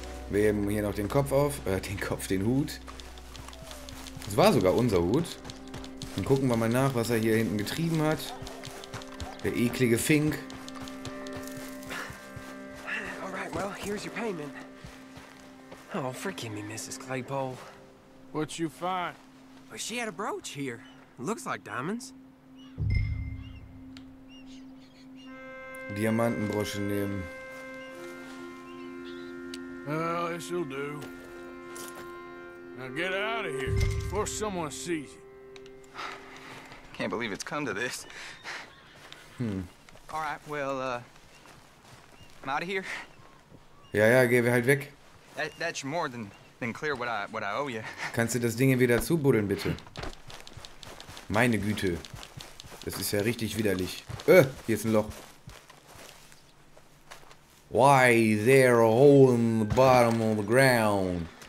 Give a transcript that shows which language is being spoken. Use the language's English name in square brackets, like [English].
[German] Wir heben hier noch den Kopf auf. Den Kopf, den Hut. Das war sogar unser Hut. Dann gucken wir mal nach, was er hier hinten getrieben hat. Der eklige Fink. [English] Alright, well, here's your payment. Oh, forgive me, Mrs. Claypole. What you find? But she had a brooch here. Looks like diamonds. [German] Diamantenbrosche nehmen. [English] Well, this will do. Now get out of here before someone sees you. Can't believe it's come to this. Hm. All right, well, I'm out of here. [German] Ja, ja, geh wir halt weg. [English] That's more than clear what I owe you. [German] Kannst du das Ding wieder zubuddeln, bitte? Meine Güte. Das ist ja richtig widerlich. Hier ist ein Loch. [English] Why is there a hole in the bottom of the ground?